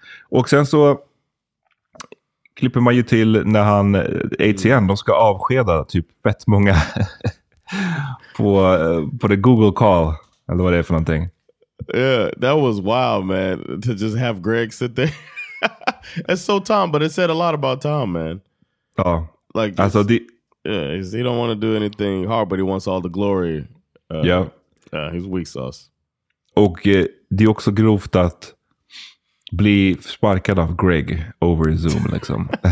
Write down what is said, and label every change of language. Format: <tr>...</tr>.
<sv>Och sen så klipper man ju till när han, ATN, de ska avskeda typ fett många på det Google call. Eller vad det är för någonting.</sv> <en>Yeah, that was wild, man, to just have Greg sit there. It's so Tom, but it said a lot about Tom, man. Oh, like, also he don't want to do anything hard, but he wants all the glory. Yeah. He's weak sauce.</en> <sv>Och det är också grovt att bli sparkad av Greg</sv> <en>over Zoom,</en> <sv>liksom.</sv>